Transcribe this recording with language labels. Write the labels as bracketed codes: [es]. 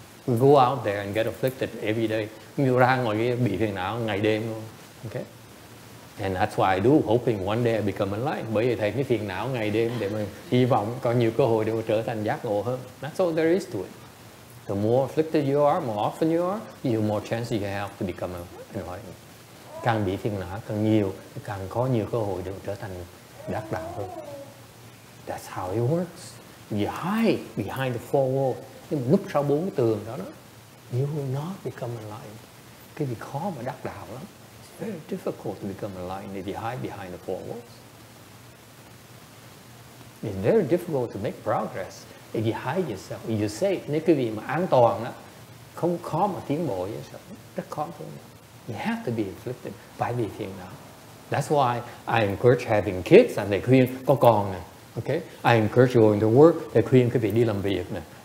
[en] We go out there and get afflicted every day. [vi] Như ra ngoài kia bị phiền não ngày đêm luôn. [en] Okay? And that's why I do, hoping one day I become enlightened. [vi] Bởi vì thầy cái phiền não ngày đêm để mình hy vọng có nhiều cơ hội để mình trở thành giác ngộ hơn. [en] That's all there is to it. The more afflicted you are, more often you are, the more chance you have to become enlightened. [vi] Càng bị phiền não càng nhiều, càng có nhiều cơ hội để trở thành đắc đạo hơn. [en] That's how it works. You hide behind the four walls. [vi] Nhưng mà núp sau bốn cái tường đó, [en] you will not become enlightened. [vi] Cái gì khó mà đắc đạo lắm. [en] It's very difficult to become enlightened if you hide behind the four walls. It's very difficult to make progress if you hide yourself. If you're safe, [vi] nếu cái gì mà an toàn đó, không khó mà tiến bộ với yourself. Rất khó thôi. [en] You have to be afflicted. [vi] Phải bị phiền não. [en] That's why I encourage having kids and they [vi] khuyên có con nè. [en] Okay? I encourage going to work. [vi] They khuyên quý vị đi làm việc nè.